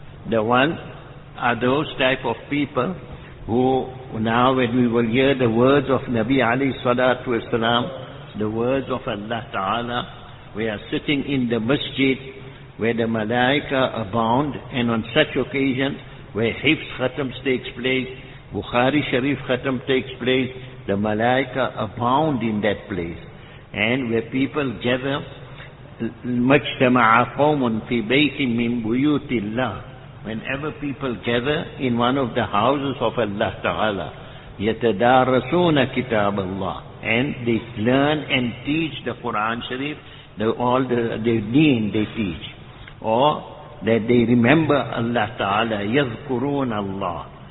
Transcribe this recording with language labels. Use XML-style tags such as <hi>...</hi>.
<en>The one are those type of people who now when we will hear the words of Nabi alayhi salatu wasalam, the words of Allah Ta'ala, we are sitting in the masjid where the malaika abound, and on such occasion where Hifz Khatam takes place, Bukhari Sharif Khatam takes place, the malaika abound in that place. And where people gather,</en> <ar>مَجْتَمَعَ قَوْمٌ فِي بَيْتٍ مِّن بُيُوتِ اللَّهِ.</ar> <en>Whenever people gather in one of the houses of Allah Ta'ala,</en> <ar>يَتَدَارَسُونَ كِتَابَ اللَّهِ,</ar> <en>and they learn and teach the Qur'an Sharif, all the deen they teach. Or that they remember Allah Ta'ala,</en> <ar>يَذْكُرُونَ اللَّهِ.</ar>